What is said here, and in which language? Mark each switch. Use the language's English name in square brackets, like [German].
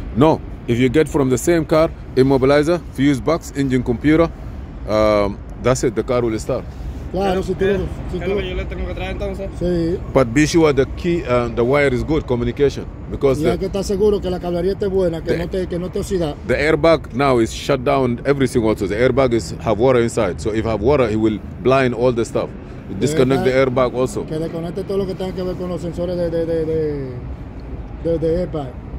[English] No, if you get from the same car, immobilizer, fuse box, engine computer, that's it, the car will start. [Spanish] Claro, si tú. Claro, yo le tengo que traer entonces. Sí. [English] But be sure the key and the wire is good, communication. Because [Spanish] ya que está seguro que la cablería esté buena, que no te oxida. [English] The airbag now is shut down everything also. The airbag is have water inside. So if have water, it will blind all the stuff. Disconnect the airbag also. [Spanish] Que desconecte todo lo que tenga que ver con los sensores de airbag.